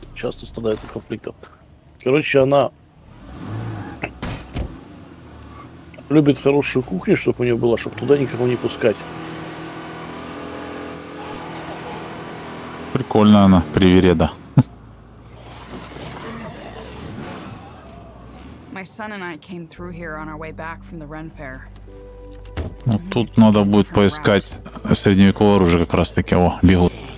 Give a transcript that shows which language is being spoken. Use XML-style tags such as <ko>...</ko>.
<ru>Часто страдает от конфликтов. Короче, она любит хорошую кухню, чтобы у нее была, чтобы туда никого не пускать. Прикольно она, привереда.</ru> <en>My son and I came through here on our way back from the Ren Fair.</en> <ru>Вот тут надо будет поискать средневековое оружие как раз таки. О, бегут.</ru>